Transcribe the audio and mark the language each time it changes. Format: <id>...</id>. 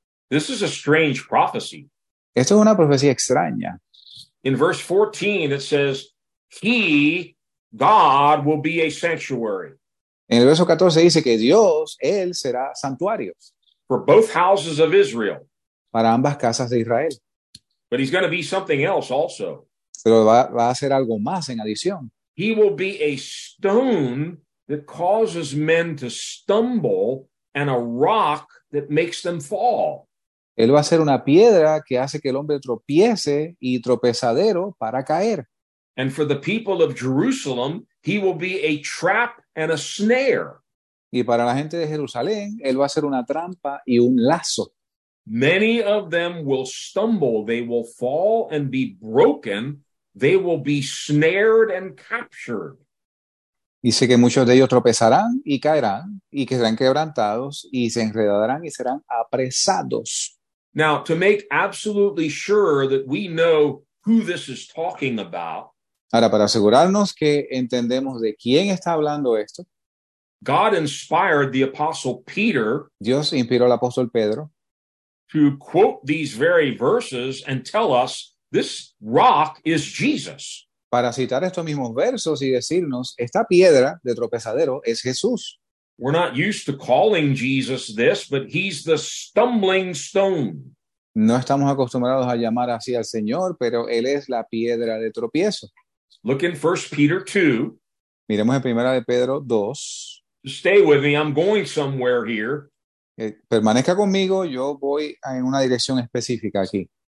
<en>This is a strange prophecy.</en> <es>Esto es una profecía extraña.</es> <en>In verse 14, it says, He, God, will be a sanctuary.</en> <es>En el verso 14 dice que Dios, Él, será santuario.</es> <en>For both houses of Israel.</en> <es>Para ambas casas de Israel.</es> <en>But he's going to be something else also.</en> <es>Pero va a ser algo más en adición.</es> <en>He will be a stone that causes men to stumble and a rock that makes them fall.</en> <es>Él va a ser una piedra que hace que el hombre tropiece y tropezadero para caer.</es> <en>And for the people of Jerusalem, he will be a trap and a snare.</en> <es>Y para la gente de Jerusalén, él va a ser una trampa y un lazo.</es> <en>Many of them will stumble, they will fall and be broken, they will be snared and captured.</en> <es>Dice que muchos de ellos tropezarán y caerán y que serán quebrantados y se enredarán y serán apresados.</es> <en>Now, to make absolutely sure that we know who this is talking about.</en> <es>Ahora, para asegurarnos que entendemos de quién está hablando esto.</es> <en>God inspired the apostle Peter.</en> <es>Dios inspiró al apóstol Pedro.</es> <en>To quote these very verses and tell us this rock is Jesus.</en> <es>Para citar estos mismos versos y decirnos, esta piedra de tropezadero es Jesús.</es> <en>We're not used to calling Jesus this, but he's the stumbling stone.</en> <es>No estamos acostumbrados a llamar así al Señor, pero él es la piedra de tropiezo.</es> <en>Look in 1 Peter 2.</en> <es>Miremos en Primera de Pedro 2.</es> <en>Stay with me, I'm going somewhere here.</en> <es>Permanezca conmigo, yo voy en una dirección específica aquí.</es>